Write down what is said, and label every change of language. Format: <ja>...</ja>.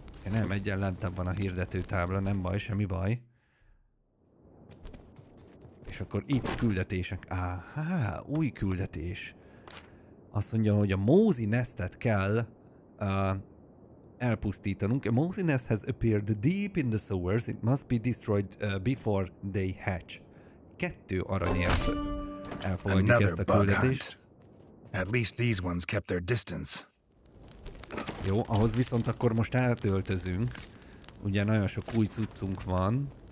<hu>Nem, egyen lentebb van a hirdető tábla, nem baj, semmi baj. És akkor itt küldetések. Áhá, új küldetés. Azt mondja, hogy a Mózi nestet kell elpusztítanunk.</hu> <en>A Mózi nesthez appeared deep in the sewers. It must be destroyed before they hatch.</en> <hu>2 aranyért elfogadjuk ezt a küldetést.</hu> <en>At least these ones kept their distance.</en> <hu>Jó, ahhoz viszont akkor most átöltözünk. Ugye nagyon sok új cuccunk van.</hu>